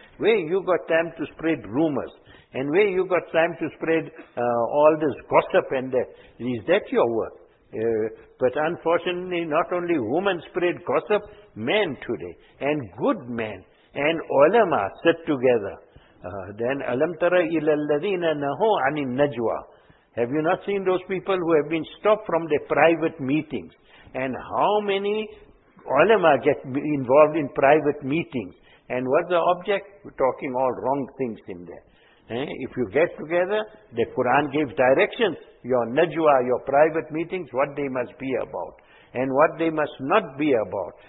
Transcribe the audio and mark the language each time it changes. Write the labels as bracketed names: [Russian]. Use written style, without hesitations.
[English] Where you got time to spread rumors? And where you got time to spread all this gossip and that? Is that your work? But unfortunately, not only women spread gossip, men today, and good men, and ulama sit together. [Arabic] Then, أَلَمْ تَرَ إِلَى الَّذِينَ نَهُوا عَنِ النَّجْوَى. [English] Have you not seen those people who have been stopped from their private meetings? And how many ulama get involved in private meetings? And what's the object? We're talking all wrong things in there. If you get together, the Quran gave directions, your najwa, your private meetings, what they must be about and what they must not be about.